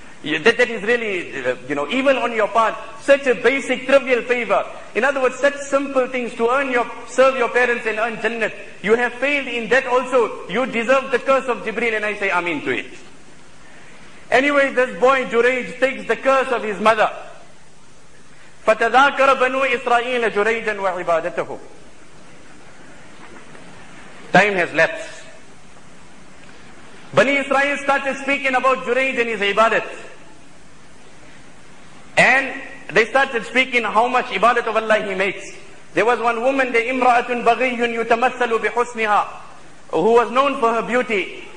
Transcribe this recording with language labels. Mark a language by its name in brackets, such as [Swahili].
[English] That is really, you know, even on your part, such a basic trivial favor. In other words, such simple things to serve your parents and earn Jannat. You have failed in that also. You deserve the curse of Jibreel, and I say Ameen to it. Anyway, this boy, Juraij, takes the curse of his mother. [Arabic] فَتَذَاكَرَ بَنُوا إِسْرَائِيلَ جُرَيْجًا وَعِبَادَتَهُ [English] Time has lapsed. Bani Israel started speaking about Juraij and his ibadat. And they started speaking how much ibadat of Allah he makes. There was one woman, the [Arabic] إِمْرَأَةٌ بَغِيٌّ يُتَمَثَّلُ بِحُسْنِهَا [English] who was known for her beauty.